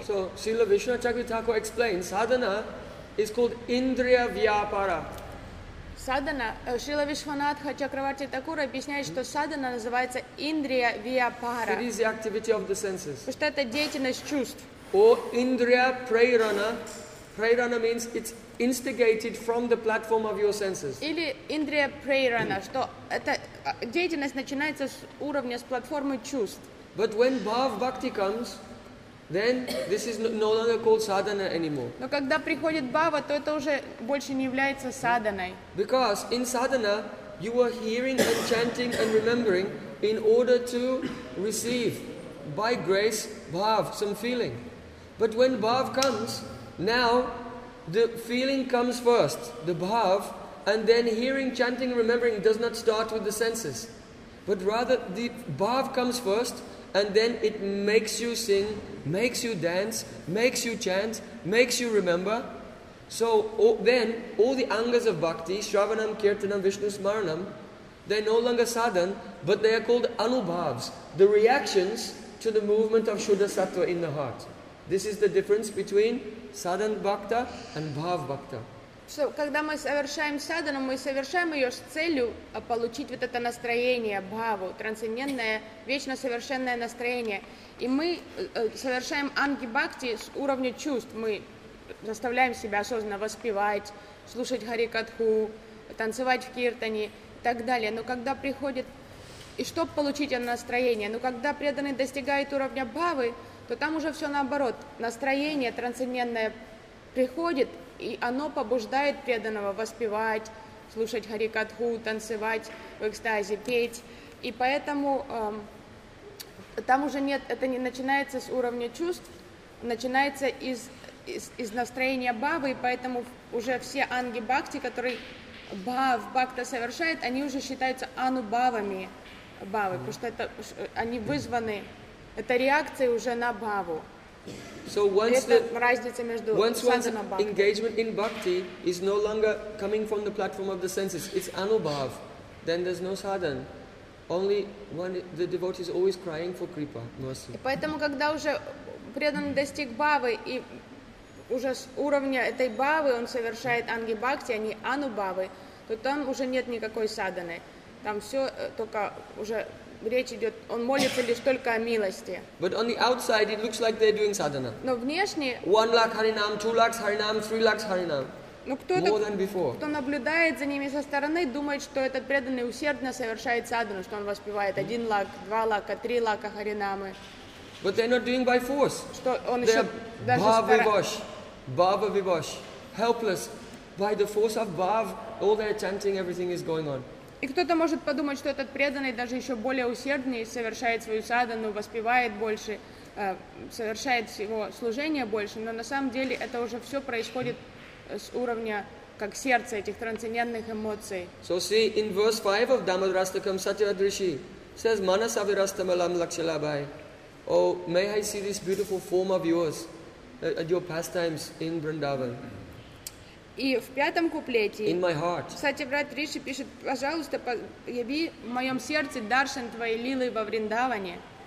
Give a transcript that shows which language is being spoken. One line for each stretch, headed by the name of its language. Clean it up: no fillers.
English: So, Srila Vishnu Chakritako explains, садхана is called Indriya Vyapara.
Russian: Садхана, Srila Vishwanatha Chakravarti Thakur объясняет, что садхана называется Indriya Vyapara.
English: It is the activity of the senses.
Russian: Потому что это деятельность чувств.
English: Or Indriya Prerana. Prerana means it's instigated from the platform of your senses.
Russian: Или Indriya Prerana, что это деятельность начинается с уровня, с платформы чувств.
English: But when bhav bhakti comes, then this is no longer called sadhana anymore.
Russian: Но когда приходит бхава, то это уже больше не является садханой.
English: Because in sadhana, you are hearing and chanting and remembering in order to receive by grace bhav, some feeling. But when bhav comes, now the feeling comes first, the bhav, and then hearing, chanting, remembering does not start with the senses. But rather the bhav comes first, and then it makes you sing, makes you dance, makes you chant, makes you remember. So then all the angas of bhakti,
Sanskrit: shravanam, kirtanam, vishnu, smaranam,
English: they're no longer sadhan, but they are called anubhavs, the reactions to the movement of shuddha sattva in the heart. This is the difference between sadhan bhakta and bhav bhakta.
Russian: So, когда мы совершаем садхану, мы совершаем ее с целью получить вот это настроение, бхаву, трансцендентное, вечно совершенное настроение. И мы совершаем анги бхакти с уровня чувств. Мы заставляем себя осознанно воспевать, слушать харикатху, танцевать в киртане и так далее. Но когда приходит... И чтобы получить это настроение? Но когда преданный достигает уровня бхавы, то там уже все наоборот. Настроение трансцендентное приходит, И оно побуждает преданного воспевать, слушать харикатху, танцевать в экстазе, петь. И поэтому там уже нет, это не начинается с уровня чувств, начинается из настроения бхавы, и поэтому уже все анги бхакти, которые бхакта совершает, они уже считаются анубавами бхавы, потому что это, они вызваны, это реакция уже на бхаву.
English: So once the
Russian: разница между
English: engagement in bhakti is no longer coming from the platform of the senses, it's anubhav, then there's no sadhan. Only when the devotee is always crying for kripa, mercy.
Russian: И поэтому, когда уже преданный достиг бхавы и уже с уровня этой бхавы он совершает анги бхакти, а не анубавы, то там уже нет никакой садханы. Там все только уже речь идет, он молится лишь только о милости.
English: But on the outside it looks like they're doing sadhana.
Russian: Но внешне.
English: One lakh harinam, two lakhs harinam, three lakhs harinam.
Russian: Но кто наблюдает за ними со стороны, думает, что этот преданный усердно совершает садхану, что он воспевает один лак, два лака, три лака харинамы.
English: But they're not doing by force.
Russian: Что он еще даже
English: Bhava-vibhosh, Bhava-vibhosh, helpless. By the force of bhav, all their chanting, everything is going on.
Russian: И кто-то может подумать, что этот преданный даже еще более усерднее совершает свою садхану, воспевает больше, совершает его служение больше, но на самом деле это уже все происходит с уровня как сердца этих трансцендентных эмоций.
English: So see in verse 5 of Dhammadrastakam Satyadrishi says
Sanskrit: Manasavirastamalam Lakshalabhai.
English: Oh, may I see this beautiful form of yours at your pastimes in Vrindavan.
Russian: И в пятом куплете
English: in my heart.
Russian: Сатьяврат Риши пишет, пожалуйста, яви в моем сердце даршан твоей лилы во Вриндаване.